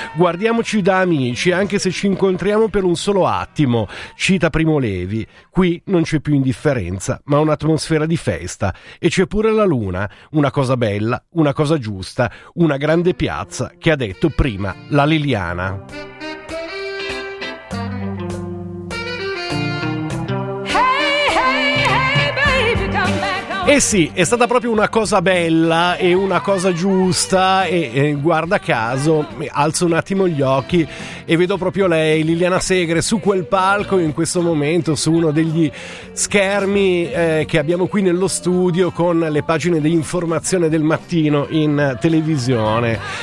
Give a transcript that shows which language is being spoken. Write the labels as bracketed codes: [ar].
[it] Guardiamoci da amici, anche se ci incontriamo per un solo attimo, cita Primo Levi. Qui non c'è più indifferenza, ma un'atmosfera di festa. E c'è pure la luna, una cosa bella, una cosa giusta, una grande piazza, che ha detto prima la Liliana. [en] Hey, hey, hey, baby, come back. [it] Eh sì, è stata proprio una cosa bella e una cosa giusta e guarda caso, alzo un attimo gli occhi e vedo proprio lei, Liliana Segre, su quel palco in questo momento, su uno degli schermi che abbiamo qui nello studio con le pagine di informazione del mattino in televisione.